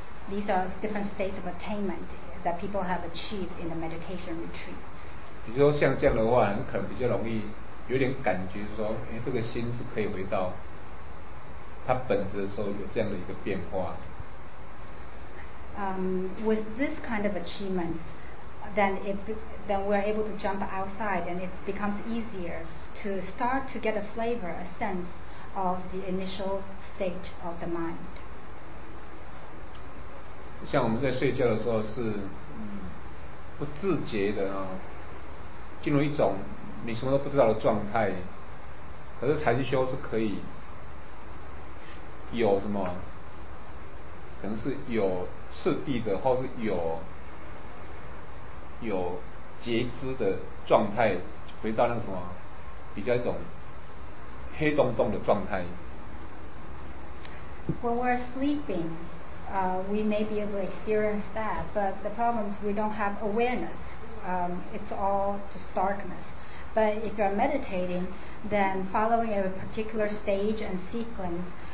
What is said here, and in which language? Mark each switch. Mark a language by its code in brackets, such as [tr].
[en] These are different states of attainment that people have achieved in the meditation retreats. [zh] 比如说像这样的话，可能比较容易有点感觉说，哎，这个心是可以回到它本质的时候有这样的一个变化。 [en] With this kind of achievements, then we're able to jump outside, and it becomes easier to start to get a flavor, a sense of the initial state of the mind. [zh] 像我们在睡觉的时候是不自觉的啊，进入一种你什么都不知道的状态，可是禅修是可以有什么？可能是有次第的，或是有截肢的状态，回到那什么比较一种黑洞洞的状态。 [en] When we're sleeping, we may be able to experience that, but the problem is we don't have awareness. It's all just darkness. But if you're meditating, then following a particular stage and sequence.